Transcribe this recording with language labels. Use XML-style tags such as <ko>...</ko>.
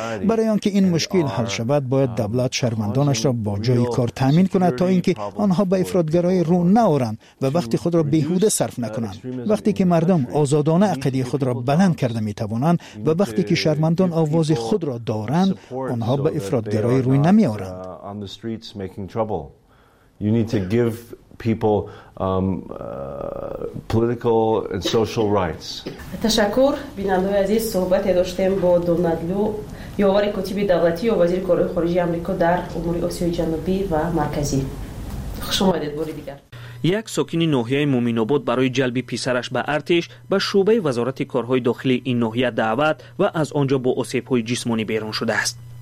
<fa>برای آنکه این مشکل حل شود، باید دولت شهروندانش را با جای کار تامین کند تا اینکه آنها به افراط‌گرایی رو نآورند و وقت خود را بیهوده صرف نکنند. وقتی که مردم آزادانه عقیده خود را بلند کرده می توانند و وقتی که شهروندان آواز خود را دارند، آنها به افراط‌گرایی روی نمی آورند.</fa> <en>You need to give people political and social rights.</en> <fa>تشکر بیننده عزیز، صحبت داشتیم با دونالد لو، یووری کتیب دولتی و وزیر کارهای خارجی آمریکا در امور آسیای جنوبی و مرکزی. خوش اومدید باری دیگر. یک ساکن ناحیه مومین‌آباد برای جلب پسرش به ارتش به شعبه وزارت کارهای داخلی این ناحیه دعوت و از آنجا با آسیب‌های جسمانی بیرون شده است.</fa>